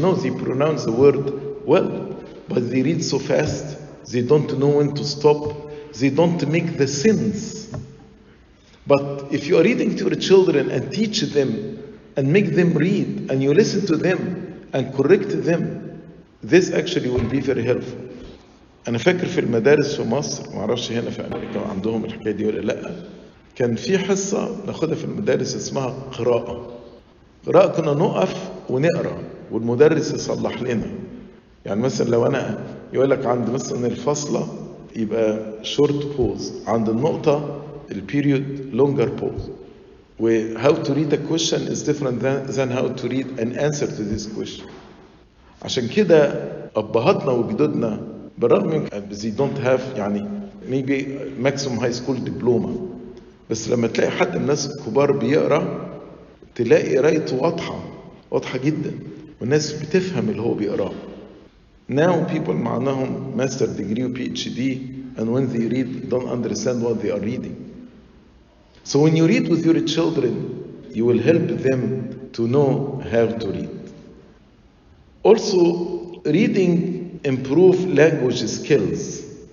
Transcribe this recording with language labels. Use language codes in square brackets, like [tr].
[en] No, they pronounce the word well, but they read so fast, they don't know when to stop, they don't make the sense. But if you are reading to your children and teach them and make them read and you listen to them and correct them, this actually will be very helpful. [ar] أنا فاكر في المدارس في مصر، ما أعرفش هنا في أمريكا عندهم الحكاية دي ولا لأ، كان في حصة ناخدها في المدارس اسمها قراءة. قراءة كنا نقف ونقرأ والمدرس يصلح لنا. يعني مثلا لو أنا يقول لك عند مثلا الفصلة يبقى [en] short pause، [ar] عند النقطة ال [en] period longer pause. و how to read a question is different than how to read an answer to this question. [ar] عشان كده أبهاتنا وجدودنا بالرغم من [en] they don't have [ar] يعني [en] maybe maximum high school diploma، [ar] بس لما تلاقي حد من الناس الكبار بيقرأ تلاقي قرايته واضحة جدا، والناس بتفهم اللي هو بيقرأه. [en] Now people معناهم master degree و PhD and when they read don't understand what they are reading. So when you read with your children, you will help them to know how to read. Also, reading improve language skills.